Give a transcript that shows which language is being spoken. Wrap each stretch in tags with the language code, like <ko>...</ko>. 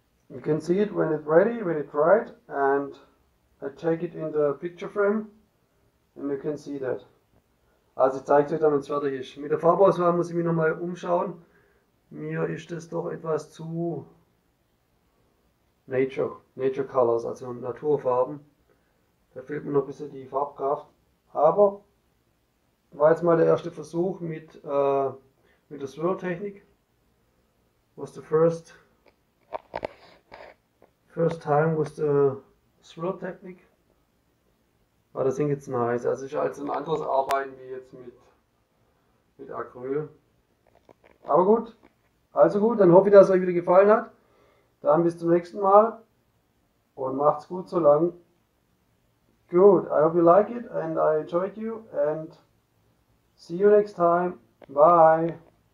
<en>You can see it when it's ready, when it's right. And I take it in the picture frame. And you can see that.</en> <de>Also ich zeige es euch dann, wenn es fertig ist. Mit der Farbauswahl muss ich mich nochmal umschauen. Mir ist das doch etwas zu. Nature Colors, also Naturfarben. Da fehlt mir noch ein bisschen die Farbkraft. Aber war jetzt mal der erste Versuch mit mit der Swirl-Technik.</de> <en>Was the first time with the Swirl-Technik.</en> <de>Aber das Ding jetzt</de> <en>nice.</en> <de>Also ist halt so ein anderes Arbeiten wie jetzt mit Acryl. Aber gut. Also gut, dann hoffe ich, dass es euch wieder gefallen hat. Dann bis zum nächsten Mal. Und macht's gut so lang.</de> <en>Good, I hope you like it and I enjoyed you and see you next time. Bye.</en>